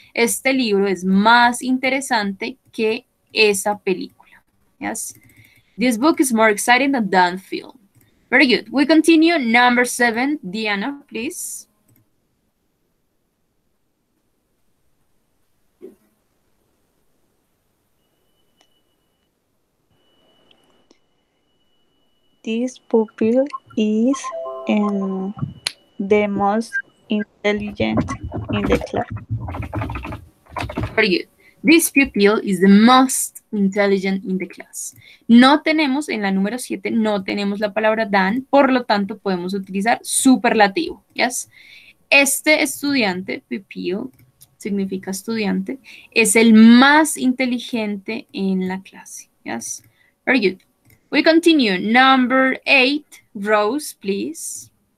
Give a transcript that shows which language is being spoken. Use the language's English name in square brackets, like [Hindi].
[Spanish] Este libro es más interesante que esa película. [English] Yes. This book is more exciting than that film. Very good. We continue. Number seven, Diana, please. This pupil is the most intelligent in the class. Very good. This pupil is the most intelligent in the class. [Spanish] No tenemos, en la número 7, no tenemos la palabra done, por lo tanto podemos utilizar superlativo. [English] Yes. [Spanish] Este estudiante, pupil, significa estudiante, es el más inteligente en la clase. [English] Yes. Very good. We continue. Number eight, Rose, please.